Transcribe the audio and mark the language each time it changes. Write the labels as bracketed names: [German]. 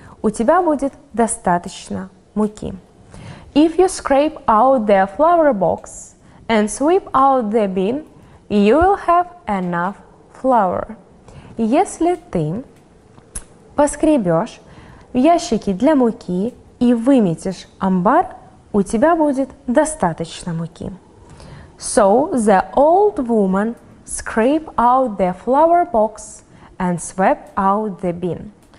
[Russian] У тебя будет достаточно муки. [English] If you scrape out the flour box and sweep out the bin, you will have enough flour. [Russian] Если ты поскребешь в ящики для муки и выметишь амбар, у тебя будет достаточно муки. [English] So the old woman scraped out the flour box and swept out the bin.